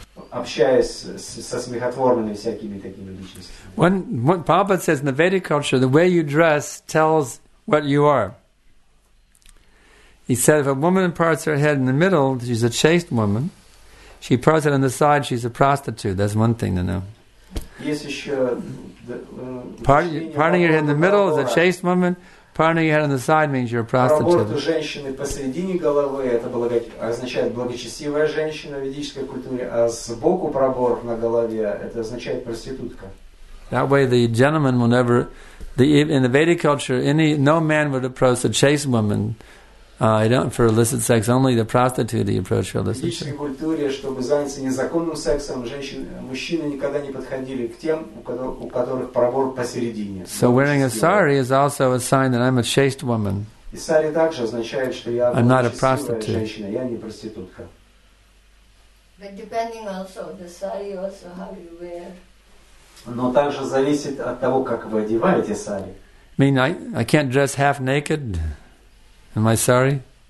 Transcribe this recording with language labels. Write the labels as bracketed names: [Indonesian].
[Russian] Общаясь со смехотворными всякими такими личностями. [English] Prabhupada says in the Vedic culture, the way you dress tells what you are. He said, if a woman parts her head in the middle, she's a chaste woman. She parts it on the side, she's a prostitute. That's one thing to know. Yes, sure. Parting your head in the middle is a chaste woman. Parting your head on the side means you're a prostitute. [Russian] Женщины посередине головы это означает благочестивая женщина в ведической культуре, а сбоку пробор на голове это означает проститутка. [English] That way, the gentleman will never. In the Vedic culture, no man would approach a chaste woman for illicit sex. Only the prostitute he approached for illicit sex. [Russian] В ведической культуре, чтобы заняться незаконным сексом, мужчины никогда не подходили к тем, у которых пробор посередине. [English] So wearing a sari is also a sign that I'm a chaste woman. [Russian] И сари также означает, что я благочестивая женщина, я не проститутка. [English] But depending also the sari also how you wear. [Russian] Но также зависит от того, как вы одеваете сари. [English] I mean, I can't dress half naked in my sari.